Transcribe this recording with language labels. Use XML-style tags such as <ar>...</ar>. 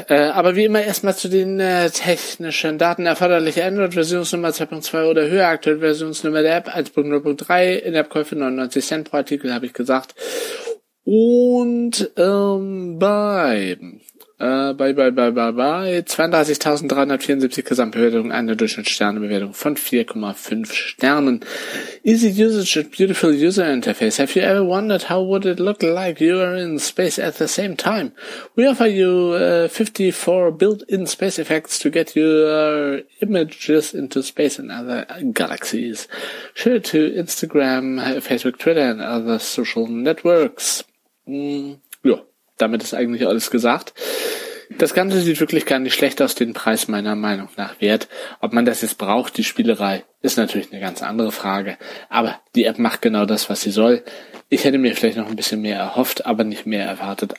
<de>Aber wie immer erstmal zu den technischen Daten. Erforderliche Android-Versionsnummer 2.2 oder höher, aktuelle Versionsnummer der App 1.0.3, in App-Käufe 99 Cent pro Artikel, habe ich gesagt. Und bei 32.374 Gesamtbewertungen, eine Durchschnittssternebewertung von 4,5 Sternen.</de> <en>Easy usage and beautiful user interface. Have you ever wondered how would it look like you are in space at the same time? We offer you 54 built-in space effects to get your images into space and other galaxies. Share to Instagram, Facebook, Twitter and other social networks.</en> <de>Ja, damit ist eigentlich alles gesagt. Das Ganze sieht wirklich gar nicht schlecht aus, den Preis meiner Meinung nach wert. Ob man das jetzt braucht, die Spielerei, ist natürlich eine ganz andere Frage. Aber die App macht genau das, was sie soll. Ich hätte mir vielleicht noch ein bisschen mehr erhofft, aber nicht mehr erwartet.</de>